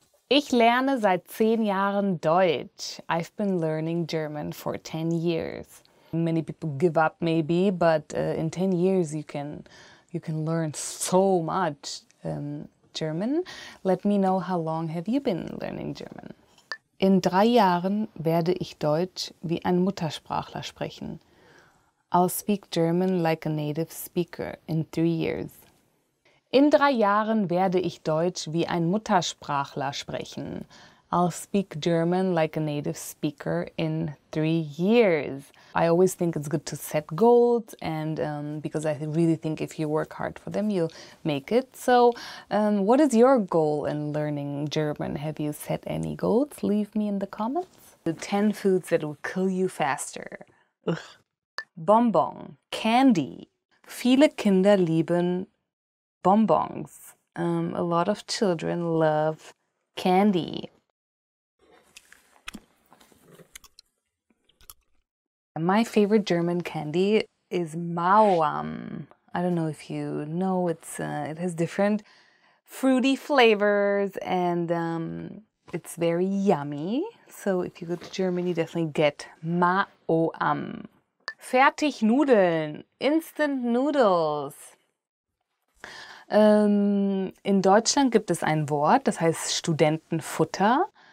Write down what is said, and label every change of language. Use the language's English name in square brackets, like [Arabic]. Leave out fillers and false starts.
[German] Ich lerne seit 10 Jahren Deutsch. [English] I've been learning German for 10 years. Many people give up maybe, but in 10 years you can learn so much German. Let me know, how long have you been learning German? [German] In 3 Jahren werde ich Deutsch wie ein Muttersprachler sprechen. [English] I'll speak German like a native speaker in 3 years. [German] In 3 Jahren werde ich Deutsch wie ein Muttersprachler sprechen. [English] I'll speak German like a native speaker in 3 years. I always think it's good to set goals and because I really think if you work hard for them, you'll make it. So what is your goal in learning German? Have you set any goals? Leave me in the comments. The 10 foods that will kill you faster. Ugh. [German] Bonbon, candy. Viele Kinder lieben Bonbons. [English] A lot of children love candy. My favorite German candy is Mauam. I don't know if you know, it has different fruity flavors and it's very yummy. So if you go to Germany, definitely get Mauam. Fertignudeln, instant noodles. [German] In Deutschland gibt es ein Wort, das heißt Studentenfutter.